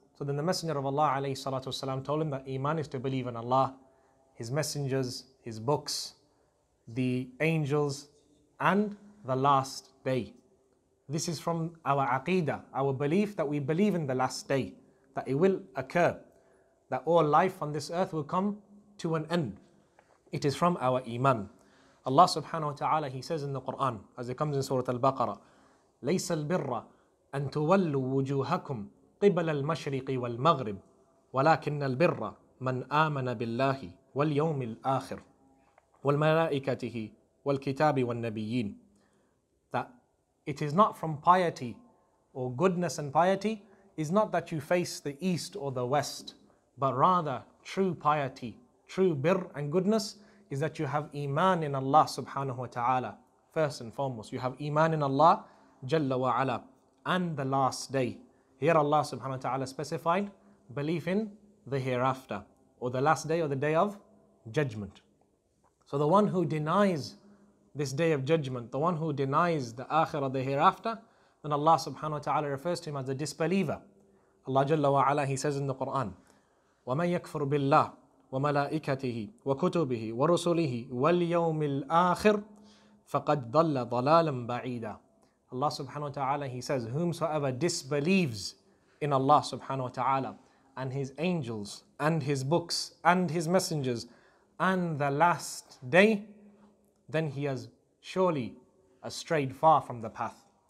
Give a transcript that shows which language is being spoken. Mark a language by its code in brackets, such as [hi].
[en] So then the Messenger of Allah alayhi salatu wasalam told him that iman is to believe in Allah, his messengers, his books, the angels, and the last day. This is from our aqeedah, our belief that we believe in the last day, that it will occur, that all life on this earth will come to an end. It is from our iman. Allah subhanahu wa ta'ala, he says in the Quran, as it comes in Surah Al-Baqarah, [ar] لَيْسَ الْبِرَّ أَن تُوَلُّوا وُجُوهَكُمْ قِبَلَ الْمَشْرِقِ وَالْمَغْرِبِ وَلَكِنَّ الْبِرَّ مَنْ آمَنَ بِاللَّهِ وَالْيَوْمِ الْآخِرِ وَالْمَلَائِكَتِهِ وَالْكِتَابِ وَالنَّبِيِّينَ. [en] That it is not from piety or goodness, and piety is not that you face the east or the west, but rather true piety, true birr and goodness is that you have iman in Allah subhanahu wa ta'ala. First and foremost, you have iman in Allah jalla wa ala and the last day. Here Allah subhanahu wa ta'ala specified belief in the hereafter or the last day or the day of judgment. So the one who denies this day of judgment, the one who denies the akhirah, the hereafter, then Allah subhanahu wa ta'ala refers to him as a disbeliever. Allah jalla wa ala, he says in the Quran, [ar] وَمَنْ يَكْفُرْ بِاللَّهِ وَمَلَائِكَتِهِ وَكُتُبِهِ وَرُسُلِهِ وَالْيَوْمِ الْآخِرِ فَقَدْ ضَلَّ ضَلَالًا بَعِيدًا. [en] Allah subhanahu wa ta'ala, he says, whomsoever disbelieves in Allah subhanahu wa ta'ala and his angels and his books and his messengers and the last day, then he has surely strayed far from the path.